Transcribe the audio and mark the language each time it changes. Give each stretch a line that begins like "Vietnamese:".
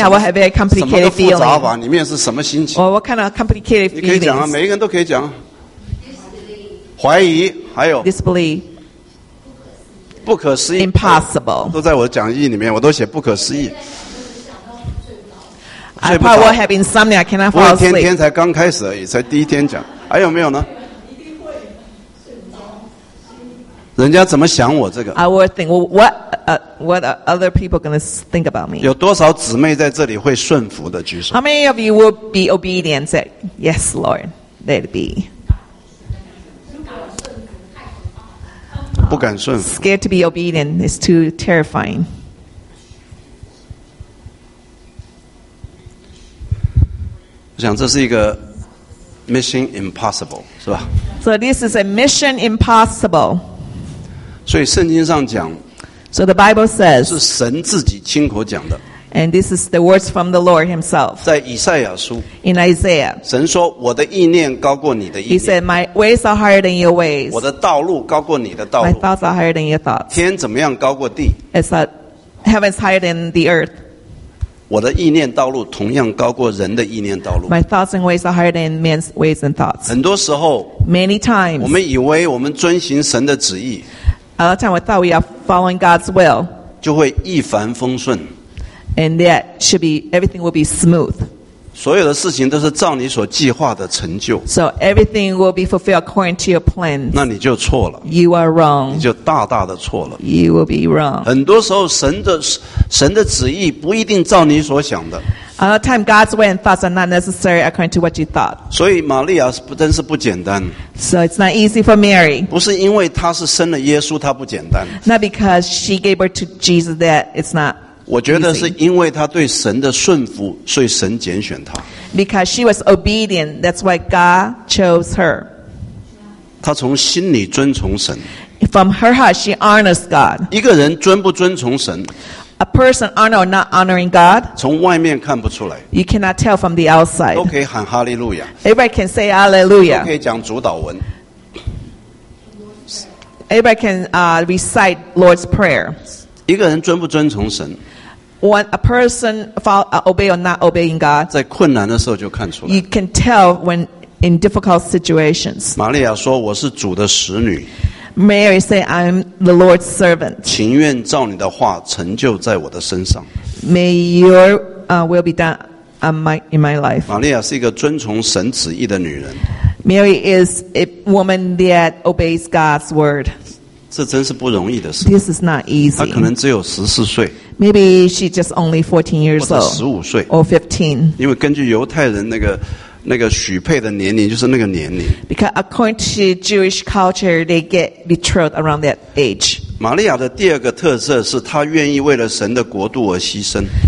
English: I think I will have a complicated feeling.
Chinese: 什么复杂法？里面是什么心情？
English: Well, what kind of complicated feelings?
Chinese: 你可以讲啊，每一个人都可以讲。怀疑，还有。
English: Disbelief.
Chinese: 不可思议。
English: Impossible.
Chinese: 都在我的讲义里面，我都写不可思议。
English: I probably will have insomnia. I cannot fall asleep.
Chinese: 我天天才刚开始而已，才第一天讲。还有没有呢？人家怎么想我这个
English: ？I will think what are other people going to think about me?
Chinese: 有多少姊妹在这里会顺服的？举手。
English: How many of you will be obedient? Say yes, Lord. Let it be.
Chinese: 不敢顺服。
English: Scared to be obedient is too terrifying.
Chinese: 我想这是一个
English: mission impossible，
Chinese: 是吧？
English: So this is a mission impossible.
Chinese: 所以圣经上讲，
English: So the Bible says，
Chinese: 是神自己亲口讲的。
English: And this is the words from the Lord himself.
Chinese: 在以赛亚书，
English: In Isaiah，
Chinese: 神说我的意念高过你的意念。
English: He said my ways are higher than your ways.
Chinese: 我的道路高过你的道路。
English: My thoughts are higher than your thoughts.
Chinese: 天怎么样高过地？
English: It's that heaven's higher than the earth.
Chinese: 我的意念道路同样高过人的意念道路。
English: My thoughts and ways are higher than man's ways and thoughts.
Chinese: 很多时候
English: ，Many times，
Chinese: 我们以为我们遵行神的旨意
English: ，A lot of time we thought we are following God's will，
Chinese: 就会一帆风顺
English: ，And that should be everything will be smooth。
Chinese: 所有的事情都是照你所计划的成就。
English: So everything will be fulfilled according to your plan.
Chinese: 那你就错了。
English: You are wrong.
Chinese: 你就大大的错了。
English: You will be wrong.
Chinese: 很多时候神的旨意不一定照你所想的。
English: Another time, God's way and thoughts are not necessary according to what you thought.
Chinese: 所以玛利亚不真是不简单。
English: So it's not easy for Mary.
Chinese: 不是因为她是生了耶稣，她不简单。
English: Not because she gave birth to Jesus that it's not.
Chinese: 我觉得是因为她对神的顺服，所以神拣选她。
English: Because she was obedient, that's why God chose her.
Chinese: 她从心里遵从神。
English: From her heart, she honors God.
Chinese: 一个人尊不尊从神。
English: A person honor or not honoring God?
Chinese: 从外面看不出来。
English: You cannot tell from the outside.
Chinese: 都可以喊哈利路亚。
English: Everybody can say hallelujah.
Chinese: 都可以讲主导文。
English: Everybody can recite Lord's Prayer.
Chinese: 一个人尊不尊从神。
English: When a person obey or not obeying God.
Chinese: 在困难的时候就看出来。
English: You can tell when in difficult situations.
Chinese: 玛利亚说我是主的使女。
English: Mary said, I'm the Lord's servant.
Chinese: 情愿照你的话成就在我的身上。
English: May your will be done in my life.
Chinese: 玛利亚是一个遵从神旨意的女人。
English: Mary is a woman that obeys God's word.
Chinese: 这真是不容易的事。
English: This is not easy.
Chinese: 她可能只有14岁。
English: Maybe she's just only 14 years old.
Chinese: 或者15岁。
English: Or 15.
Chinese: 因为根据犹太人那个许配的年龄就是那个年龄。
English: Because according to Jewish culture, they get betrothed around that age.
Chinese: 玛利亚的第二个特色是她愿意为了神的国度而牺牲。